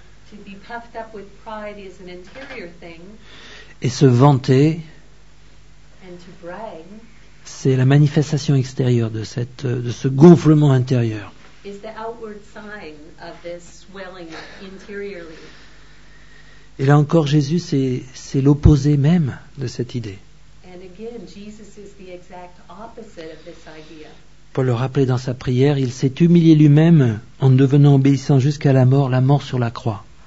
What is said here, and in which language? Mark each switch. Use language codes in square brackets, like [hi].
[en] To be puffed up with pride is an interior thing. [fr] Et se vanter, [en] and to brag, [fr] c'est la manifestation extérieure de ce gonflement intérieur. [en] Is the outward sign of this swelling interiorly. [fr] Et là encore, Jésus, c'est l'opposé même de cette idée. [en] And again, Jesus is the exact opposite of this idea. [fr] Paul le rappelait dans sa prière, il s'est humilié lui-même en devenant obéissant jusqu'à la mort sur la croix.